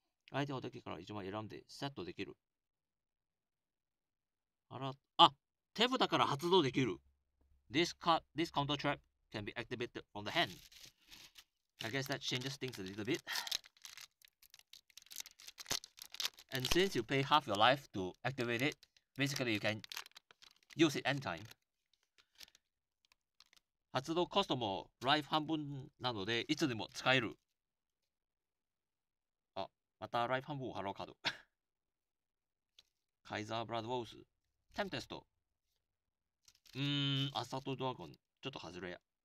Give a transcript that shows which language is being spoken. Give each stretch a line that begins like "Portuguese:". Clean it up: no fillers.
Japanese: 相手のデッキから一枚選んでセットできる。手札から発動できる。
English: This counter trap can be activated from the hand. I guess that changes things a little bit. And since you pay half your life to activate it,Basically, you can use it anytime.
Japanese: 発動コストもライフ半分なので、いつでも使える。あ、またライフ半分を払うカード。カイザー・ブラッド・ウォーズ。テンペスト。アサート・ドラゴン。ちょっと外れや。